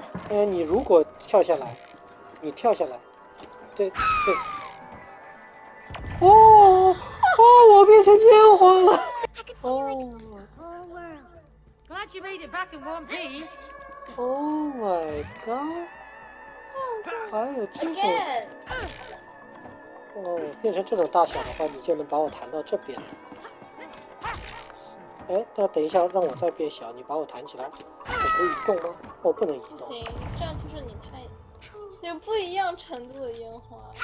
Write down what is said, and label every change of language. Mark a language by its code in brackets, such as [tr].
[zh] 哎，你如果跳下来，你跳下来，对对，哦哦，我变成烟花了，哦 [en] ，Glad you made it back in one piece. Oh my god！ [zh] 还有这种，哦，变成这种大小的话，你就能把我弹到这边了。哎，那等一下，让我再变小，你把我弹起来，我可以动吗？我不能移动。不行，这样就是你太有不一样程度的烟花。